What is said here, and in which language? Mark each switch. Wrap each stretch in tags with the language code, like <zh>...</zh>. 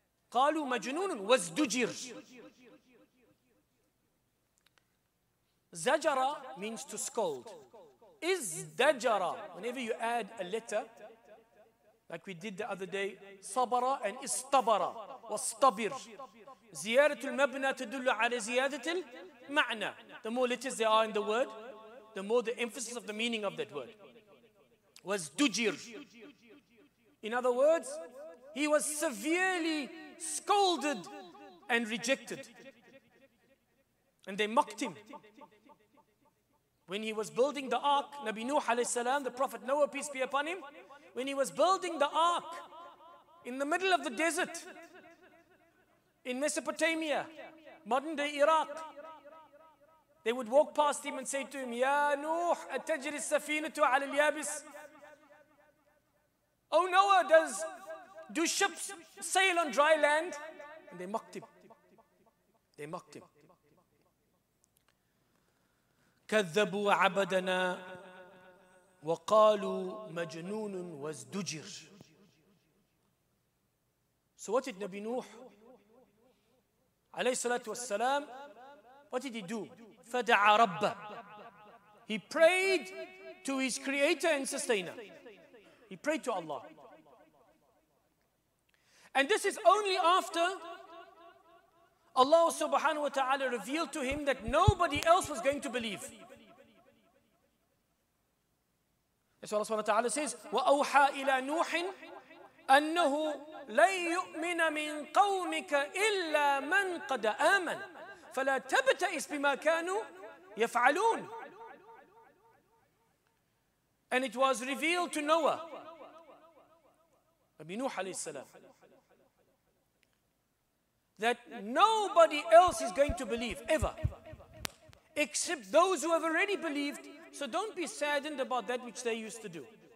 <ar>قالوا مجنون وازدجر.</ar> <en>زجر means to scold. ازدجر, whenever you add a letter, like we did the other day, صبر and استبر واستبر.</en> <ar>زيادة المبنى تدل على زيادة المعنى.</ar> <en>The more letters there are in the word, the more the emphasis of the meaning of that word.</en> <ar>وازدجر.</ar> <en>In other words, he was severely scolded and rejected. And they mocked him. When he was building the ark, Nabi Nuh alayhi salam, the Prophet Noah, peace be upon him, when he was building the ark in the middle of the desert in Mesopotamia, modern day Iraq, they would walk past him and say to him,</en> <ar>Ya Nuh, atajri safinatu ala al-yabis.</ar> <en>Oh Noah, do ships sail on dry land? And they mocked him.</en> <ar>كذبوا عبدنا وقالوا مجنون وازدجر.</ar> <en>So what did Nabi Nuh عليه الصلاة والسلام, what did he do?</en> <ar>فدعا ربه.</ar> <en>He prayed to his creator and sustainer. He prayed to Allah. And this is only after Allah subhanahu wa ta'ala revealed to him that nobody else was going to believe. That's what Allah subhanahu wa ta'ala says,</en> <ar>وَأَوْحَى إِلَى نُوحٍ أَنَّهُ لَنْ يُؤْمِنَ مِنْ قَوْمِكَ إِلَّا مَنْ قَدْ آمَنَ فَلَا تَبْتَئِسْ بِمَا كَانُوا يَفْعَلُونَ.</ar> <en>And it was revealed to Noah, Rabbi Nuh alayhi salam, that nobody else is going to believe, ever, except those who have already believed. So don't be saddened about that which they used to do.</en>